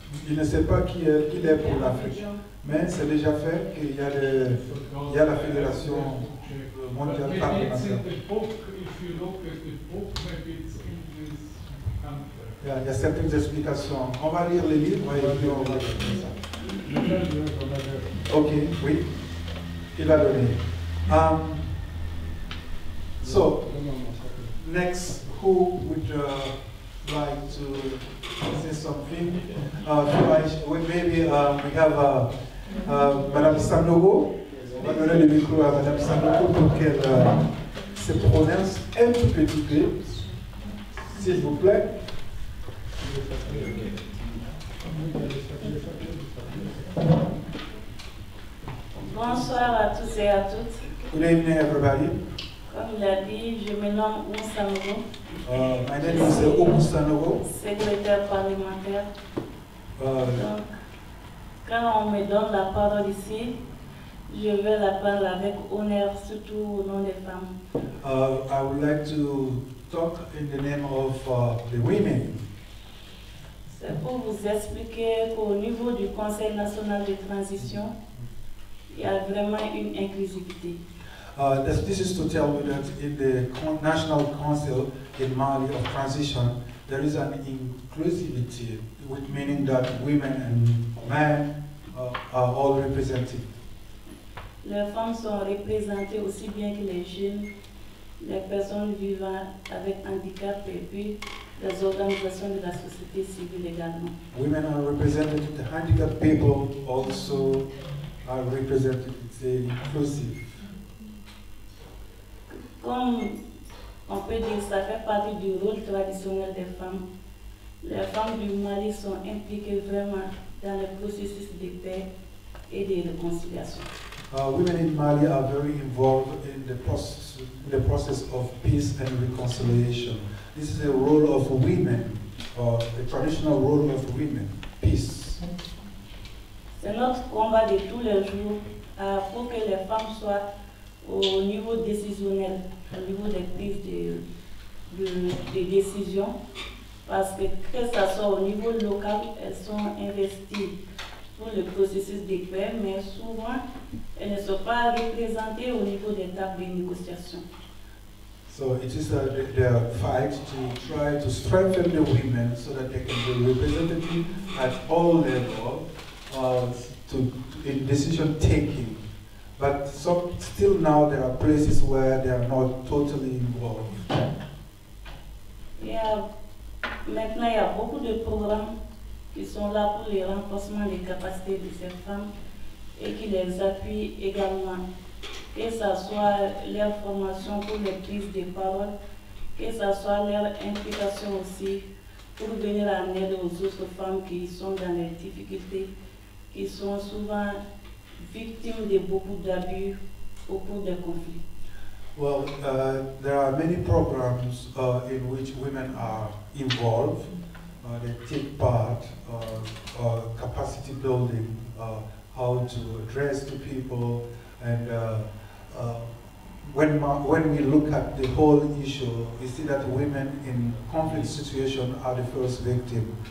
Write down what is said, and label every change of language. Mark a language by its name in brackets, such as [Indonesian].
[French] Il ne sait pas qui est pour l'Afrique, mais c'est déjà fait qu'il y a, il y a la Fédération mondiale parlementaire. Il y a certaines explications. On va lire les livres et puis on va lire ça. Ok, oui, il a donné. [English] So, next, who would like to say something? We have Madame Sanogo. [French] On va donner le micro à Madame Sanogo pour qu'elle se prononce un petit peu, s'il vous plaît. Bonsoir à tous et à toutes. [English] Good evening, everybody. [French] Comme il a dit, je me nomme Oussanogo. [English] My name is Oussanogo. [French] Secrétaire parlementaire. Donc, quand on me donne la parole ici, je vais la parler avec honneur, surtout au nom des femmes. [English] I would like to talk in the name of the women. [French] C'est pour vous expliquer qu'au niveau du Conseil national de transition, il y a vraiment une inclusivité. [English] This is to tell you that in the National Council in Mali of Transition, there is an inclusivity, with meaning that women and men are all represented. [French] Les femmes sont représentées aussi bien que les jeunes, les personnes vivant avec handicap et puis les organisations de la société civile également. [English] Women are represented, the handicapped people also are represented, it's inclusive. [French] Comme on peut dire, ça fait partie du rôle traditionnel des femmes. Les femmes du Mali sont impliquées vraiment dans le processus de paix et de réconciliation. [English] Women in Mali are very involved in the process of peace and reconciliation. This is a role of women, the traditional role of women, peace. [French] C'est notre combat de tous les jours pour que les femmes soient au niveau décisionnel, au niveau des prises de décisions, parce que ce soit au niveau local, elles sont investies pour le processus de paix, mais souvent, elles ne sont pas représentées au niveau des tables de négociation. [English] So it is the fight to try to strengthen the women so that they can be representative at all levels in decision taking. But so, still now there are places where they are not totally involved. [French] Maintenant il y a beaucoup de programmes qui sont là pour le renforcement des capacités de ces femmes et qui les appuient également. Que ce soit leur formation pour les prises de parole, que ce soit leur implication aussi pour venir en aide aux autres femmes qui sont dans les difficultés, qui sont souvent victimes de beaucoup d'abus au cours des conflits. [English] Well, there are many programs in which women are involved. They take part in capacity building, how to address the people, and when we look at the whole issue, we see that women in conflict situation are the first victim.